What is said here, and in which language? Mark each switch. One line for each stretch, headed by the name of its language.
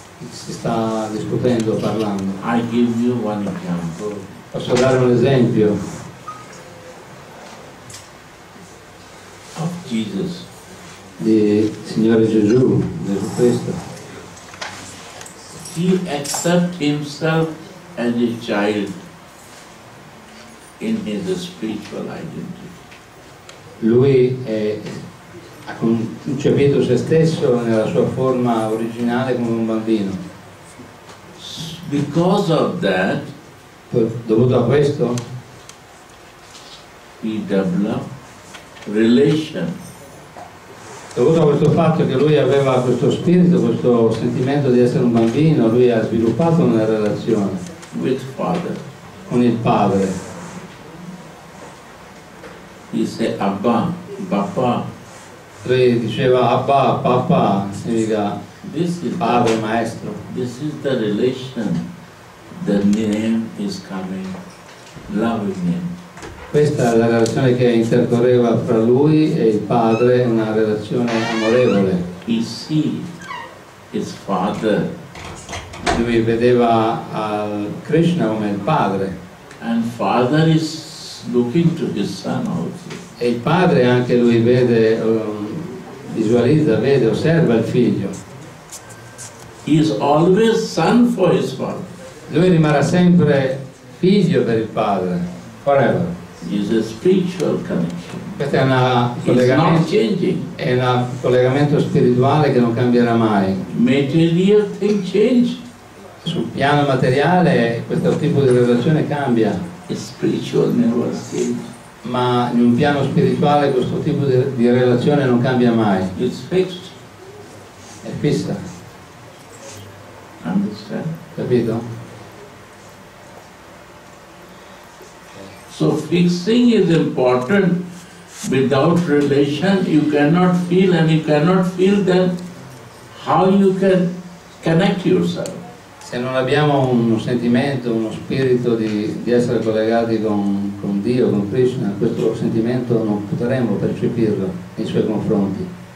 Italian: Si sta discutendo, parlando.
English: I give you one example.
Italian: Posso dare un esempio?
English: Of Jesus.
Italian: Di Signore Gesù, Gesù Cristo.
English: He accepts himself as a child in his spiritual identity.
Italian: Lui è, ha concepito se stesso nella sua forma originale come un bambino.
English: Because of that,
Italian: dovuto a questo,
English: he developed relation.
Italian: Dovuto a questo fatto che lui aveva questo spirito, questo sentimento di essere un bambino, lui ha sviluppato una relazione
English: with father.
Italian: Con il padre.
English: He said, Abba, papà.
Italian: Lui diceva Abba, papà, significa
English: this is
Italian: padre, the, maestro.
English: This is the relation. The name is coming, loving him.
Italian: Questa è la relazione che intercorreva fra lui e il padre, una relazione amorevole.
English: He see his father.
Italian: Lui vedeva al Krishna come il padre.
English: And father is looking to his son also.
Italian: E il padre anche lui vede, visualizza, vede, osserva il figlio.
English: He is always son for his father.
Italian: Lui rimarrà sempre figlio per il padre,
English: forever. It's a spiritual connection.
Italian: Questa è una collegamento.
English: It's not changing.
Italian: È un collegamento spirituale che non cambierà mai.
English: Material thing change.
Italian: Sul piano materiale questo tipo di relazione cambia.
English: It's spiritual never change.
Italian: Ma in un piano spirituale questo tipo di relazione non cambia mai.
English: It's fixed.
Italian: È fissa.
English: Understand?
Italian: Capito?
English: So fixing is important. Without relation, you cannot feel, and you cannot feel then how you can connect yourself.
Italian: Se non abbiamo un sentimento, uno spirito di essere collegati con Dio, con Krishna, questo sentimento non potremo percepirlo nei suoi confronti.